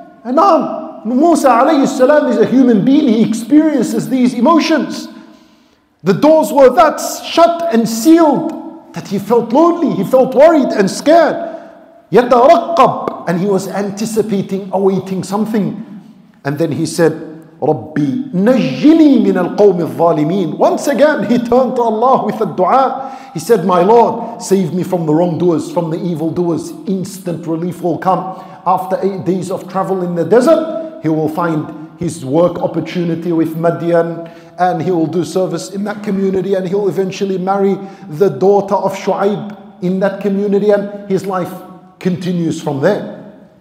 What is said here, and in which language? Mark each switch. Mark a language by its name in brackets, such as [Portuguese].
[English] And now Musa alayhi salam is a human being. He experiences these emotions. The doors were that shut and sealed that he felt lonely. He felt worried and scared. [Arabic] يَتَرَقَّبْ. [English] And he was anticipating, awaiting something. And then he said, [Arabic] رَبِّي نَجِّنِي مِنَ الْقَوْمِ الظَّالِمِينَ. [English] Once again, he turned to Allah with a dua. He said, my Lord, save me from the wrongdoers, from the evildoers. Instant relief will come. After 8 days of travel in the desert, he will find his work opportunity with Madian, and he will do service in that community, and he'll eventually marry the daughter of Shu'aib in that community, and his life continues from there.